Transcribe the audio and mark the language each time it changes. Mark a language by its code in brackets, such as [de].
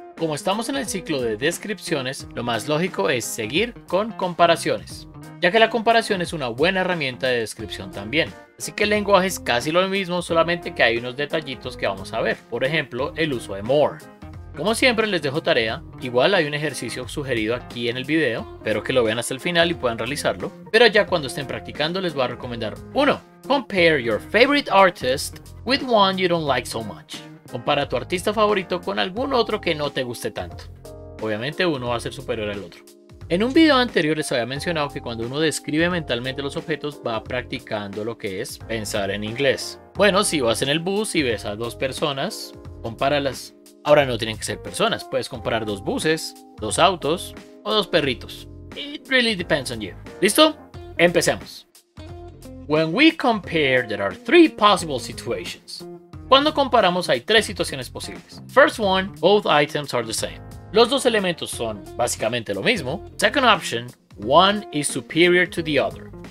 [es] Como estamos en el ciclo de descripciones, lo más lógico es seguir con comparaciones, ya que la comparación es una buena herramienta de descripción también. Así que el lenguaje es casi lo mismo, solamente que hay unos detallitos que vamos a ver. Por ejemplo, el uso de more. Como siempre, les dejo tarea. Igual hay un ejercicio sugerido aquí en el video. Espero que lo vean hasta el final y puedan realizarlo. Pero ya cuando estén practicando, les voy a recomendar 1. [en] Compare your favorite artist with one you don't like so much. [es] Compara a tu artista favorito con algún otro que no te guste tanto. Obviamente, uno va a ser superior al otro. En un video anterior les había mencionado que cuando uno describe mentalmente los objetos va practicando lo que es pensar en inglés. Bueno, si vas en el bus y ves a dos personas, compáralas. Ahora no tienen que ser personas, puedes comparar dos buses, dos autos o dos perritos. [en] It really depends on you. [es] ¿Listo? Empecemos. [en] When we compare, there are three possible situations. [es] Cuando comparamos hay tres situaciones posibles. [en] First one, both items are the same. [es] Los dos elementos son básicamente lo mismo. [en] Second option, one is superior to the other.